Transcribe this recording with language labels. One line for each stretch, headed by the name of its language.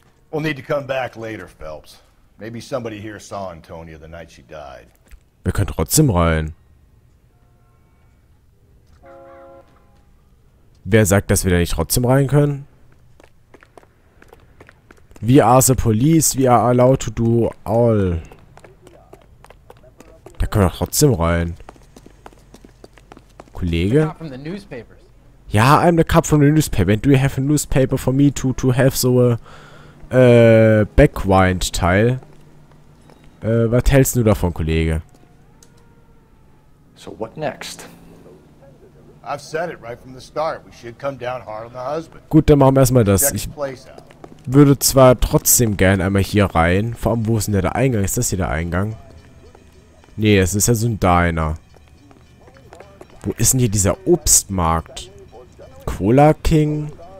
English: We'll need to come back later, Phelps. Maybe somebody here saw Antonia the night she died.
German: Wir können trotzdem rein. Wer sagt, dass wir da nicht trotzdem rein können?
English: We are the police, we are allowed to do all.
German: Da können wir trotzdem rein. Kollege?
English: Ja, I'm the cop from the newspaper. And do you have a newspaper for me to have so a backwind teil?
German: Was hältst du davon, Kollege?
English: So what next? I've said it right from the start. We should come down hard on the husband.
German: Gut, dann machen wir erstmal das. Ich würde zwar trotzdem gern einmal hier rein. Vor allem, wo ist denn der Eingang? Ist das hier der Eingang? Nee, es ist ja so ein Diner. Wo ist denn hier dieser Obstmarkt? Cola King?